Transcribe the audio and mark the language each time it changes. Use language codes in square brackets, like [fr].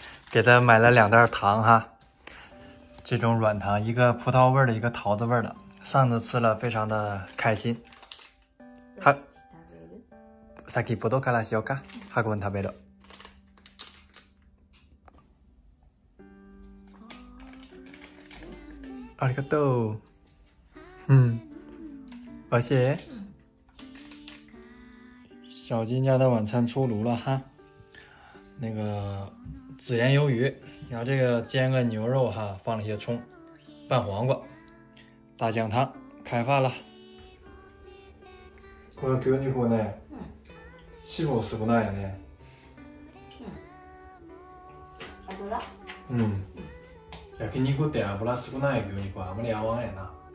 [zh] 给他买了两袋糖哈，这种软糖，一个葡萄味的，一个桃子味的。上次吃了非常的开心。好，先 [ja] 葡萄からしようか。ハコン食べる。ありがとう。おいしい。 [zh] 小金家的晚餐出炉了哈，那个紫盐鱿鱼，然后这个煎个牛肉哈，放了一些葱，拌黄瓜，大酱汤，开饭了。 [ja] この牛肉ね、脂肪少ないね。油。焼肉って油少ない牛肉あまり合わないな。